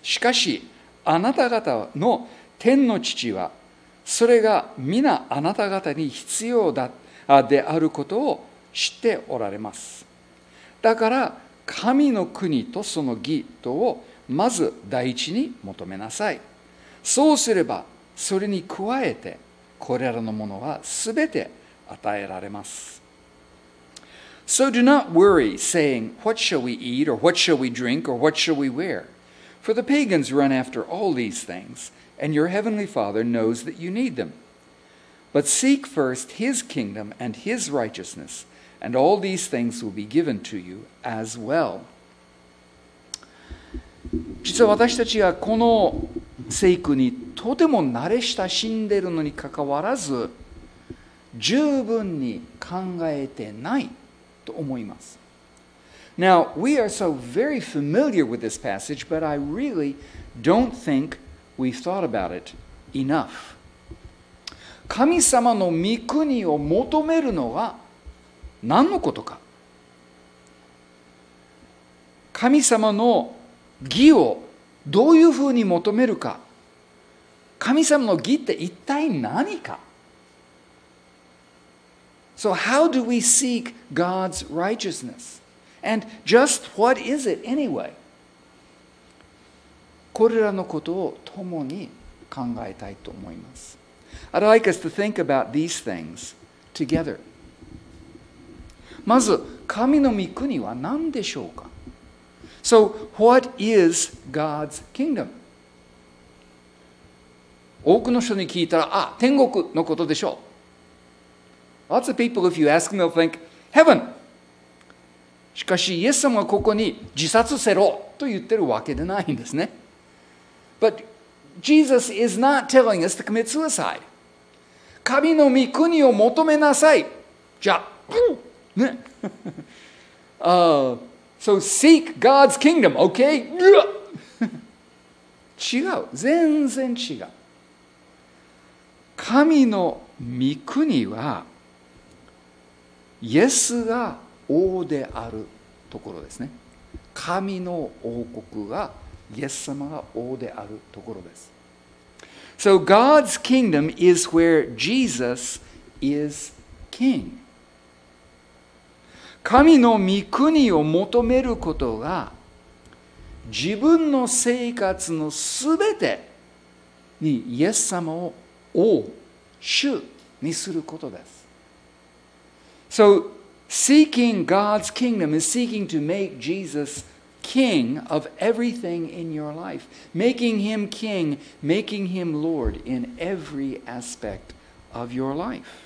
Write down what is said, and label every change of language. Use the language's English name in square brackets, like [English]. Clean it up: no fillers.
[Japanese] しかしあなた方の天の父はそれが皆あなた方に必要だであることを知っておられます。だから神の国とその義とをまず第一に求めなさい。そうすればそれに加えてこれらのものはすべて与えられます。 [English] So do not worry, saying, What shall we eat, or what shall we drink, or what shall we wear? For the pagans run after all these things, and your heavenly Father knows that you need them. But seek first his kingdom and his righteousness. And all these things will be given to you as well. [Japanese] 実は私たちがこの聖句にとても慣れ親しんでいるのにかかわらず、十分に考えてないと思います。 [English] Now, we are so very familiar with this passage, but I really don't think we've thought about it enough. [Japanese] 神様の御国を求めるのは何のことか。神様の義をどういうふうに求めるか。神様の義って一体何か。 [English] So how do we seek God's righteousness? And just what is it anyway? [Japanese] これらのことを共に考えたいと思います。 [English] I'd like us to think about these things together. [Japanese] まず神の御国は何でしょうか。 [English] So what is God's kingdom? [Japanese] 多くの人に聞いたら、あ、天国のことでしょう。 [English] Lots of people, if you ask them, they'll think heaven. [Japanese] しかしイエス様はここに自殺せろと言ってるわけでないんですね。 [English] But Jesus is not telling us to commit suicide. [Japanese] 神の御国を求めなさい。じゃあ、ね。 [English] So seek God's kingdom, okay? [Japanese] 違う。全然違う。神の御国は、イエスが王であるところですね。神の王国は、イエス様が王であるところです。 [English] So God's kingdom is where Jesus is king. [Japanese] 神の御国を求めることが自分の生活のすべてにイエス様を王、主にすることです。 [English] So seeking God's kingdom is seeking to make Jesus king of everything in your life, making him king, making him lord in every aspect of your life.